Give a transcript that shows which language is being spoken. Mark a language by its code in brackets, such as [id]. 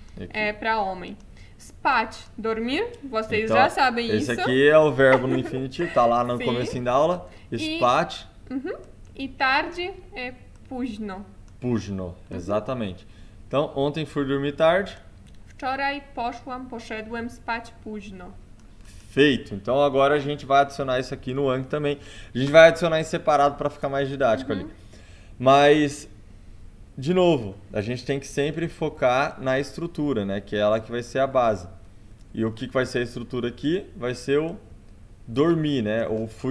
[pt] aqui. para homem. Spać, dormir, vocês já Então, sabem esse isso. aqui é o verbo no infinitivo, tá lá no Sim. comecinho da aula. Spać. E tarde é późno. Późno, exatamente. Então, ontem fui dormir tarde. [pl] Wczoraj poszedłem spać późno. [pt] Feito. Então, agora a gente vai adicionar isso aqui no ang também. A gente vai adicionar em separado para ficar mais didático ali. Mas de novo, a gente tem que sempre focar na estrutura, né? Que é ela que vai ser a base. E o que vai ser a estrutura aqui? Vai ser o dormir, né? Ou fui